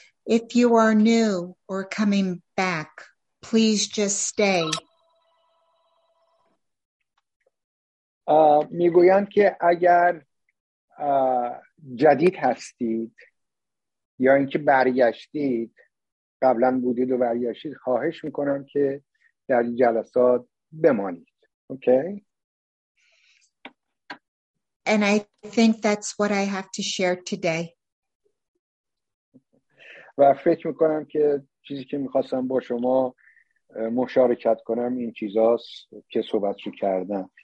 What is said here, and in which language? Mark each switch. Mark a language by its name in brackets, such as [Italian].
[English] If you are new or coming back, please just stay. [Persian] میگویند که اگر جدید هستید یا اینکه برگشتید، قبلا بودید و برگشتید، خواهش میکنم که در این جلسات بمانید. [English] Okay? And I think that's what I have to share today. [Persian] و فکر میکنم که چیزی که میخواستم با شما مشارکت کنم این چیزاست که صحبتشو کردم.